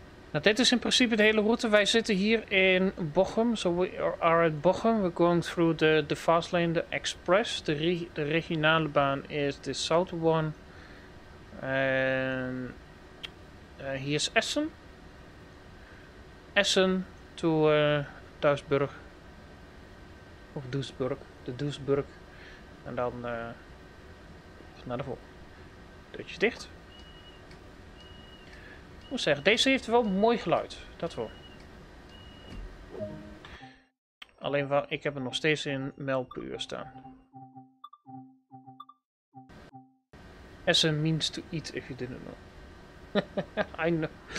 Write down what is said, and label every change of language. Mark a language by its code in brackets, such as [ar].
[nl] Nou, dit is in principe de hele route. Wij zitten hier in Bochum. [en] So we are at Bochum. We're going through the fast lane, the express. [nl] De regionale baan is de South One. En hier is Essen. Essen to Duisburg. Of Duisburg. De Duisburg. En dan naar de volgende. Deurtje dicht. Ik moet zeggen, deze heeft wel mooi geluid. Dat hoor. Alleen wel, ik heb hem nog steeds in mijl per uur staan. [en] Essen means to eat if you didn't know.